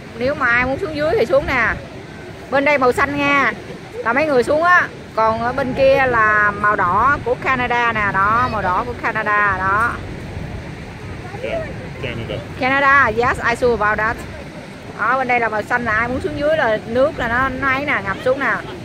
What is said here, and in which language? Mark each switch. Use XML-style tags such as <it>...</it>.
<vi>Nếu mà ai muốn xuống dưới thì xuống nè. Bên đây màu xanh nha. Là mấy người xuống á. Còn ở bên kia là màu đỏ của Canada nè. Đó, màu đỏ của Canada đó.</vi> <en>Yeah, Canada. Canada, yes, I saw about that.</en> <vi>Đó, bên đây là màu xanh nè. Ai muốn xuống dưới là nước là nó ấy nè, ngập xuống nè.</vi>